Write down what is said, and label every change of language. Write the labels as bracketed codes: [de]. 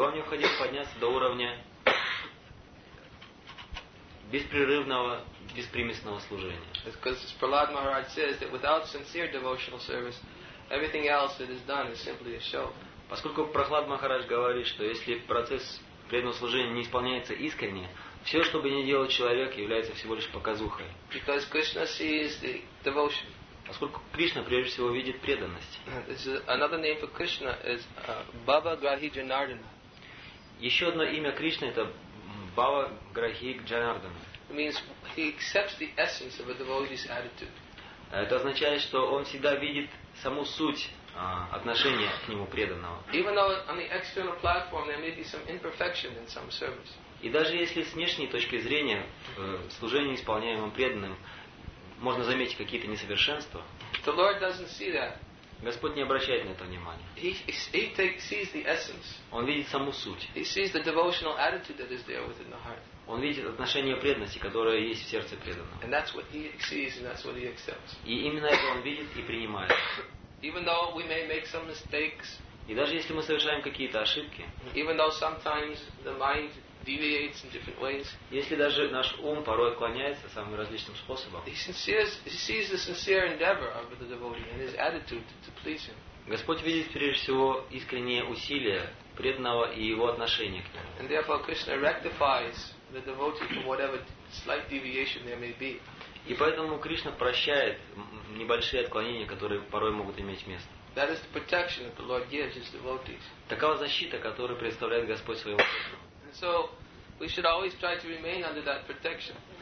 [ru] вам необходимо подняться до уровня беспрерывного, беспримесного служения. [en] Because as Prahlad Maharaj says that without sincere devotional service, everything else that is done is simply a show. [ru] Поскольку Прахлад Махарадж говорит, что если процесс преданного служения не исполняется искренне, все, что бы ни делал человек, является всего лишь показухой. [en] Because Krishna sees the devotion. [ru] Поскольку Кришна прежде всего видит преданность. [en] Another name for Krishna is Baba Grahi Janardana. [ru] Еще одно имя Кришны это Баба Грахи Джанардана. [en] It means he accepts the essence of a devotee's attitude. [ru] Это означает, что он всегда видит саму суть отношения к нему преданного. [en] Even though on the external platform there may be some imperfection in some service. [ru] И даже если с внешней точки зрения служение исполняемым преданным можно заметить какие-то несовершенства, [en] the Lord doesn't see that. [ru] Господь не обращает на это внимания. [en] He sees the essence. [ru] Он видит саму суть. [en] He sees the devotional attitude that is there within the heart. [ru] Он видит отношение преданности, которое есть в сердце преданного. [en] And that's what he sees and that's what he accepts. [ru] И именно это он видит и принимает. [en] Even though we may make some mistakes, [ru] и даже если мы совершаем какие-то ошибки, [en] even though sometimes the mind deviates in different ways, [ru] если даже наш ум порой отклоняется самым различным способом, [en] he sees the sincere endeavor of the devotee and his attitude to please him. [ru] Господь видит прежде всего искренние усилия преданного и его отношение к нему. [en] And therefore Krishna rectifies the devotee for whatever slight deviation there may be. [ru] И поэтому Кришна прощает небольшие отклонения, которые порой могут иметь место. [en] That is the protection that the Lord gives his devotees. [ru] Такова защита, которую представляет Господь своему Богу. [en] And so we should always try to remain under that protection.